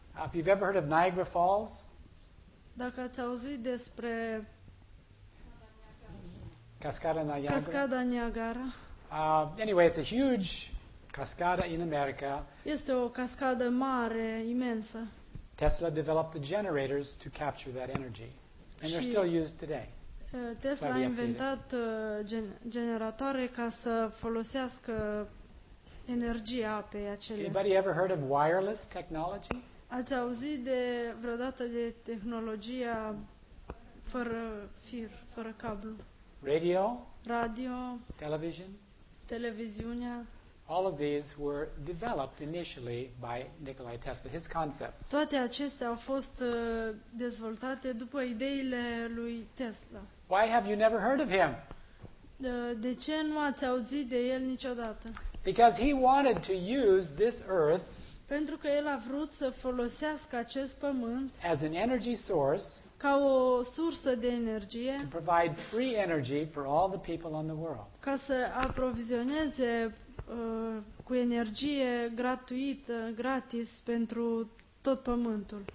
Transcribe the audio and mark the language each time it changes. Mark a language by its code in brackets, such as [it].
[en] If you've ever heard of Niagara Falls? [ro] Dacă ați auzit despre Cascada Niagara. Cascada Niagara. [en] Anyway, it's a huge cascada in America. [ro] Este o cascadă mare, imensă. [en] Tesla developed the generators to capture that energy. And they're still used today. [ro] Tesla a inventat generatoare ca să folosească energia apei acelea. [en] Anybody ever heard of wireless technology? [ro] Ați auzit de vreodată de tehnologia fără fir, fără cablu? [en] Radio? [ro] Radio? [en] Television? [ro] Televiziunea? [en] All of these were developed initially by Nikola Tesla, his concepts. [ro] Toate acestea au fost dezvoltate după ideile lui Tesla. [en] Why have you never heard of him? [ro] De ce nu ați auzit de el niciodată? [en] Because he wanted to use this earth. [ro] Pentru că el a vrut să folosească acest pământ [en] as an energy source. [ro] Ca o sursă de energie. [en] To provide free energy for all the people on the world. [ro] Ca să aprovizioneze cu energie gratuită, gratis pentru tot pământul.